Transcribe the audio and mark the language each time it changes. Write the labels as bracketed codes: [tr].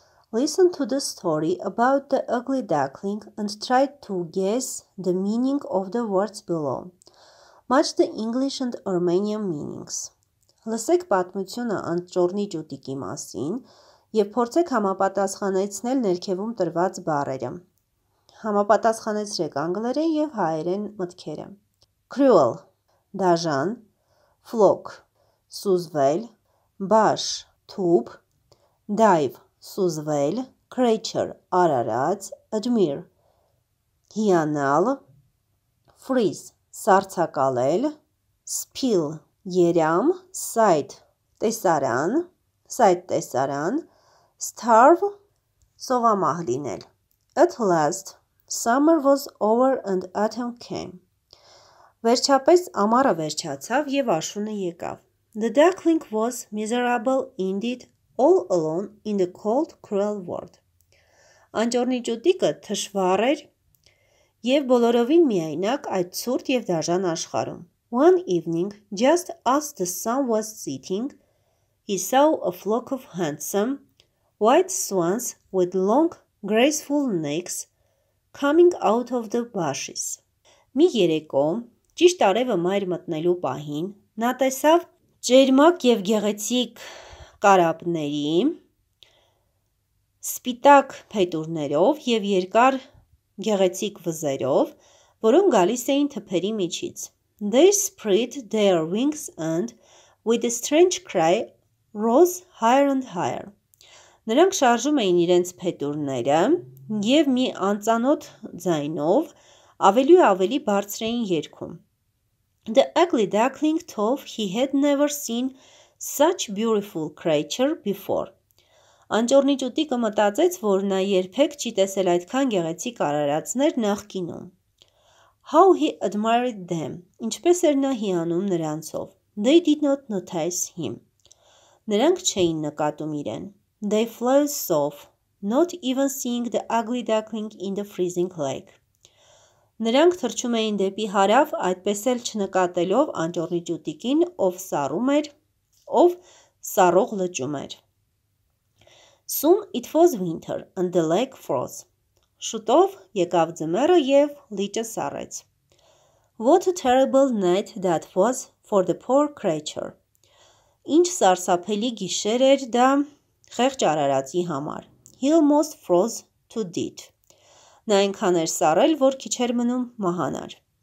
[en] Listen to the story about the ugly duckling and try to guess the meaning of the words below. Match the English and Armenian meanings. [hy] Լսեք պատմությունը ընդ ճորնի ճուտիկի մասին և փորձեք համապատասխանեցնել ներքևում տրված բառերը։ Համապատասխանեցրեք անգլերեն և հայերեն մտքերը։ Cruel – դաժան, flock – սուզվել, bash – թուփ, dive – սուզվել, creature – արարած, admire – հիանալ, freeze – սառցակալել, spill – Երամ, սայտ, տեսարան, սայտ տեսարան, starve, սովամահ լինել. [en] At last, summer was over and autumn came. [hy] Վերջապես ամառը վերջացավ և աշունը եկավ. [en] The duckling was miserable indeed, all alone in the cold, cruel world. [hy] Անջորնի ճուտիկը թշվառ էր և բոլորովին միայնակ այդ ցուրտ և դաժան աշխարում. [en] One evening, just as the sun was setting, he saw a flock of handsome, white swans with long, graceful necks coming out of the bushes. [hy] Մի երեկո, ճիշտ արևը մայր մտնելու պահին, նա տեսավ ճերմակ և գեղեցիկ կարապների, սպիտակ փետուրներով և երկար գեղեցիկ վզերով, որոնք գալիս էին թփերի միջից. [en] They spread their wings and, with a strange cry, rose higher and higher. [hy] Նրանք շարժում էին իրենց փետուրները և մի անծանոթ ձայնով ավելի ու ավելի բարձր էին երգում. [en] The ugly duckling thought he had never seen such beautiful creature before. [hy] Անջորնի ճուտիկը մտածեց, որ նա երբեք չի տեսել այդքան գեղեցիկ արարածներ նախկինում. [en] How he admired them. [hy] Ինչպես էր նա հիանում նրանցով. [en] They did not notice him. [hy] Նրանք չէին նկատում իրեն. [en] They flew off, not even seeing the ugly duckling in the freezing lake. [hy] Նրանք թռչում էին դեպի հարավ, այդպես էլ չնկատելով անջորնի ճուտիկին, ով սառում էր, ով սառող լճում էր. [en] Soon it was winter and the lake froze. [hy] Շուտով եկավ ձմեռը և լիճը սառեց. [en] What a terrible night that was for the poor creature. [hy] Ինչ սարսափելի գիշեր էր դա խեղճ արարածի համար. [en] He almost froze to death. [hy] Նա այնքան էր սառել, որ քիչ էր մնում մահանար.